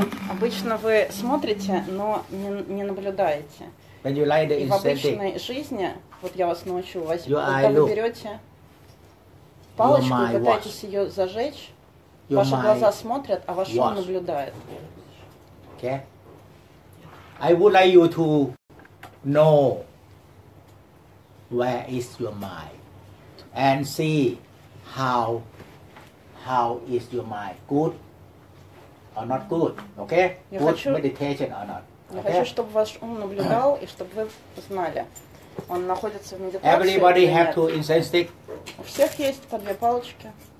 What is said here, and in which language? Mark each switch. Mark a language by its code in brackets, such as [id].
[ru] Обычно вы смотрите, но не наблюдаете. [en] When you light the incense stick, [ru] и в обычной жизни, вот я вас научу, когда вы берете палочку и пытаетесь ее зажечь, ваши глаза смотрят, а ваш ум наблюдает. [en] Okay. I would like you to know where is your mind and see how is your mind good. Are not good, okay? Meditation or not? Okay? [ru] Я хочу, чтобы ваш ум наблюдал и чтобы вы знали, он находится в медитации. [en] Everybody have two incense stick. [ru] У всех есть по две палочки.